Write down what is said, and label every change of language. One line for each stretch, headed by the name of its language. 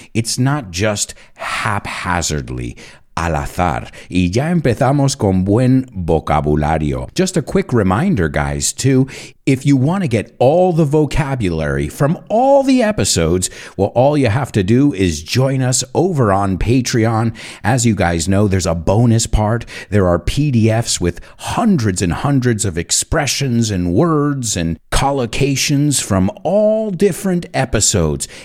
English: It's not just haphazardly,
Spanish: al azar. Y ya empezamos con buen vocabulario.
English: Just a quick reminder, guys, too. If you want to get all the vocabulary from all the episodes, well, all you have to do is join us over on Patreon. As you guys know, there's a bonus part. There are PDFs with hundreds and hundreds of expressions and words and collocations from all different episodes.